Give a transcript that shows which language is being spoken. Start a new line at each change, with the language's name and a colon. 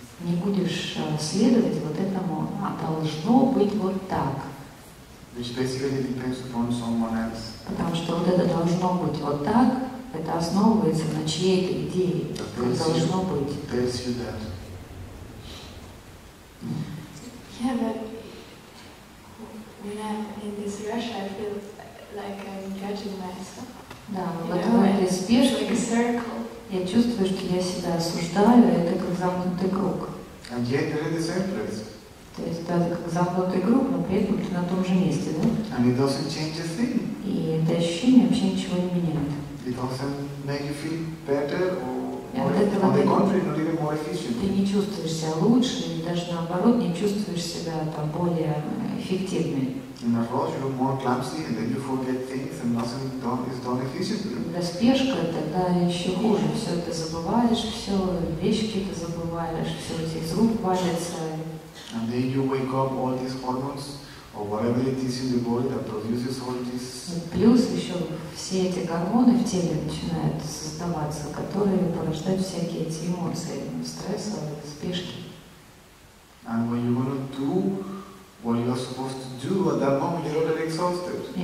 Russian: Не будешь следовать вот этому, а должно быть вот так.
English: Which basically depends upon someone else.
Russian: Потому что вот это должно быть вот так, это основывается на чьей-то идее, как должно быть.
English: It tells you that. Yeah, but when I'm in this rush, I feel like I'm judging myself.
Russian: Да, в этом этой спешке я чувствую, что я себя осуждаю, и это как замкнутый круг.
English: And yet they're in the same place.
Russian: То есть да, это как замкнутый круг, но при этом ты на том же месте, да?
English: And it doesn't change a thing.
Russian: И это ощущение вообще ничего не меняет.
English: It doesn't make you feel better or more efficient.
Russian: Ты не чувствуешь себя лучше, и даже наоборот, не чувствуешь себя там более эффективной.
English: In a rush, you're more clumsy, and then you forget things, and nothing is done efficiently.
Russian: Да, спешка, тогда еще хуже. Все это забываешь, все вещи ты забываешь, все эти из рук валятся.
English: And then you wake up all these hormones, or whatever it is in the body that produces all this.
Russian: Плюс еще все эти гормоны в теле начинают создаваться, которые порождают всякие эти эмоции, стресса, спешки.
English: And when you want to do what you are supposed to do at that moment, you're already exhausted.